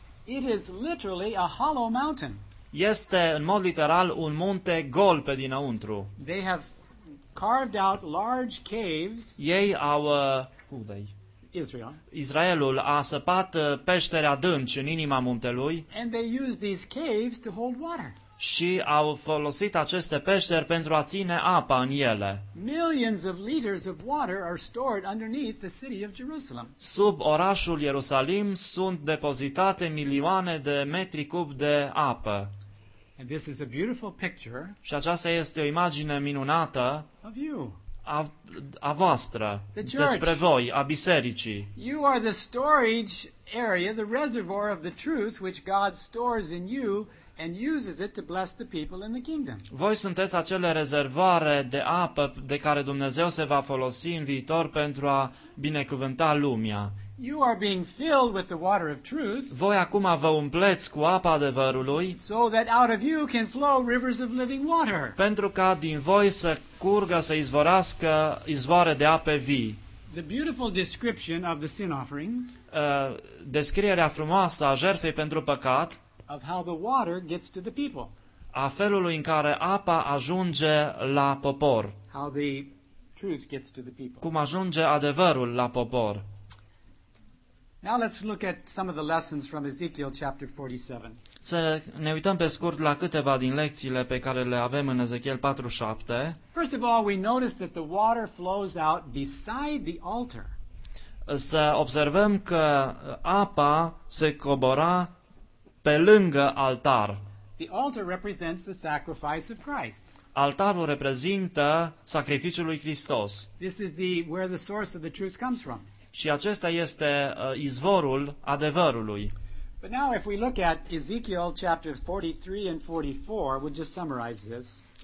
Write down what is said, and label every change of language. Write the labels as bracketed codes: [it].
[en] It is literally a hollow mountain. [ro] Este în mod literal un munte gol pe dinăuntru. [en] They have carved out large caves. [ro] Ei au Israel. Israelul a săpat peșteri adânci în inima muntelui. [en] And they use these caves to hold water. [ro] Și au folosit aceste peșteri pentru a ține apa în ele. [en] Millions of liters of water are stored underneath the city of Jerusalem. [ro] Sub orașul Ierusalim sunt depozitate milioane de metri cub de apă. [en] And this is a beautiful picture. [ro] Și aceasta este o imagine minunată. [en] Of you. [ro] A voastră. [en] The church. [ro] Despre voi, a bisericii. [en] You are the storage area, the reservoir of the truth which God stores in you and uses it to bless the people in the kingdom. [ro] Voi sunteți acele rezervoare de apă de care Dumnezeu se va folosi în viitor pentru a binecuvânta lumea. [en] You are being filled with the water of truth. [ro] Voi acum vă umpleți cu apa adevărului. [en] So that out of you can flow rivers of living water. [ro] Pentru ca din voi să curgă, să izvorască izvoare de ape vii. [en] The beautiful description of the sin offering. [ro] Descrierea frumoasă a jertfei pentru păcat. [en] Of how the water gets to the people. [ro] A felului în care apa ajunge la popor. [en] How the truth gets to the people. [ro] Cum ajunge adevărul la popor. [en] Now let's look at some of the lessons from Ezekiel chapter 47. [ro] Să ne uităm pe scurt la câteva din lecțiile pe care le avem în Ezekiel 47. [en] First of all, we notice that the water flows out beside the altar. [ro] Să observăm că apa se cobora pe lângă altar. [en] The altar represents the sacrifice of Christ. [ro] Altarul reprezintă sacrificiul lui Hristos. [en] This is the where the source of the truth comes from. [ro] Și acesta este izvorul adevărului. [en] But now if we look at Ezekiel chapter 43 and 44, we'll just summarize this.